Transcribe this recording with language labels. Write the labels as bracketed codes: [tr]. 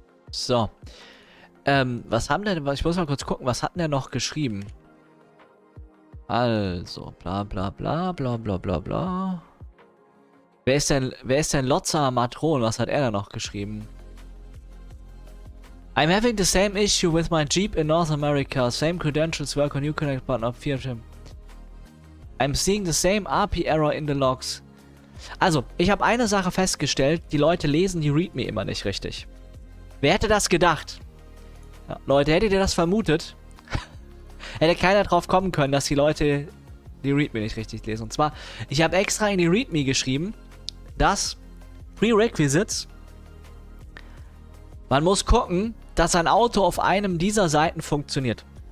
[de] So, was haben denn, ich muss mal kurz gucken, was hat denn der noch geschrieben? Also, bla bla bla bla bla bla bla. Wer ist denn Lotzer Matron, was hat er da noch geschrieben? [en] I'm having the same issue with my Jeep in North America. Same credentials work on Uconnect button up 4. I'm seeing the same RP error in the logs. [de] Also, ich habe eine Sache festgestellt, die Leute lesen die Readme immer nicht richtig. Wer hätte das gedacht? Ja, Leute, hättet ihr das vermutet? Hätte keiner drauf kommen können, dass die Leute die Readme nicht richtig lesen. Und zwar, ich habe extra in die Readme geschrieben, dass Prerequisites, man muss gucken, dass ein Auto auf einem dieser Seiten funktioniert.